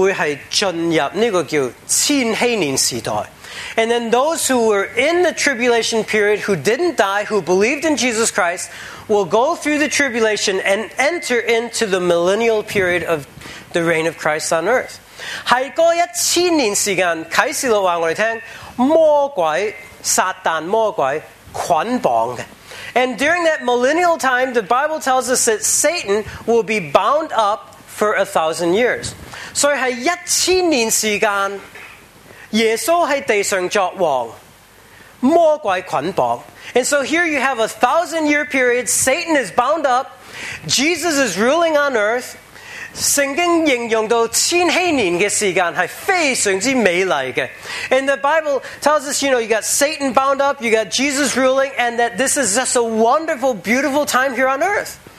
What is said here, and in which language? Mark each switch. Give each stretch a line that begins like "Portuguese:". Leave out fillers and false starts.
Chinese: 是经过大灾难信靠主耶稣基督就会是进入这个叫千禧年时代。
English: And then those who were in the tribulation period who didn't die, who believed in Jesus Christ, will go through the tribulation and enter into the millennial period of the reign of Christ on earth.
Chinese: 在那一千年时间启示录告诉我们魔鬼撒旦魔鬼捆绑的。
English: And during that millennial time, the Bible tells us that Satan will be bound up for 1,000 years.
Chinese: So, 是1,000年时间, 耶稣在地上作王，魔鬼捆绑。
English: And so here you have 1,000-year period, Satan is bound up, Jesus is ruling on earth.
Chinese: 圣经形容到千禧年的时间是非常之美丽的。
English: And the Bible tells us, you know, you got Satan bound up, you got Jesus ruling, and that this is just a wonderful, beautiful time here on earth.